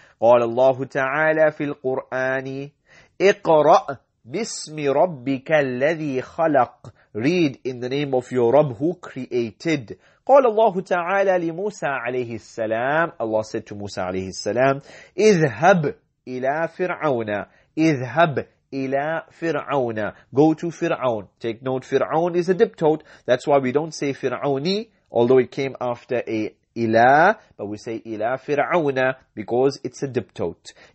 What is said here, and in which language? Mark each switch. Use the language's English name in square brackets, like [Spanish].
[Arabic] قال الله تعالى في القرآن, اقرأ بسم ربك الذي خلق. [English] Read in the name of your Rabb who created. [Arabic] قال الله تعالى لموسى عليه السلام. [English] Allah said to Musa [Arabic] عليه السلام, اذهب إلى فرعون. اذهب إلى فرعون. [English] Go to [Arabic] فرعون. [English] Take note, فرعون is a diptote. That's why we don't say فرعوني, although it came after a إلى, but we say [Arabic] إلى فرعون [English] because it's a diptote.